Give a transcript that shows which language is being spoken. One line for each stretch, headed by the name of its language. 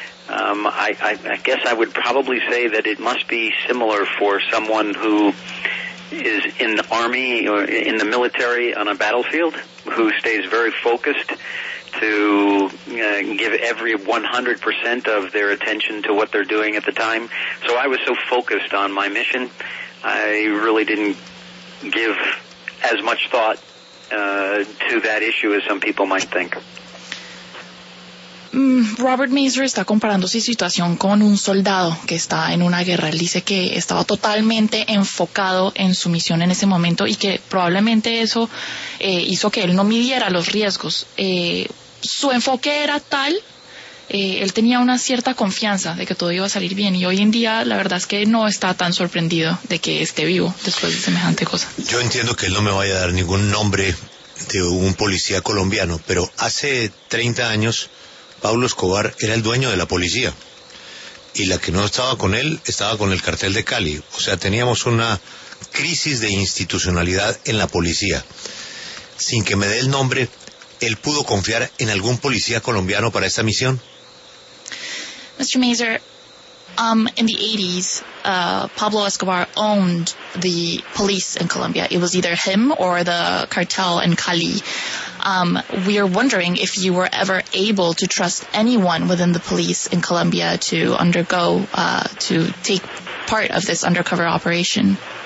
English: I guess I would probably say that it must be similar for someone who is in the army or in the military on a battlefield, who stays very focused to give every 100% of their attention to what they're doing at the time. So I was so focused on my mission, I really didn't give as much thought to that issue as some people might think.
Spanish: Robert Mazur está comparando su situación con un soldado que está en una guerra. Él dice que estaba totalmente enfocado en su misión en ese momento y que probablemente eso hizo que él no midiera los riesgos. Su enfoque era tal, él tenía una cierta confianza de que todo iba a salir bien, y hoy en día la verdad es que no está tan sorprendido de que esté vivo después de semejante cosa. Yo entiendo que él no me vaya a dar ningún nombre de un policía colombiano, pero hace 30 años Pablo Escobar era el dueño de la policía, y la que no estaba con él estaba con el cartel de Cali. O sea, teníamos una crisis de institucionalidad en la policía. Sin que me dé el nombre, ¿él pudo confiar en algún policía colombiano para esta misión?
English: Mr. Mazur, In the 80s, Pablo Escobar owned the police in Colombia. It was either him or the cartel in Cali. We are wondering if you were ever able to trust anyone within the police in Colombia to undergo, to take part of this undercover operation.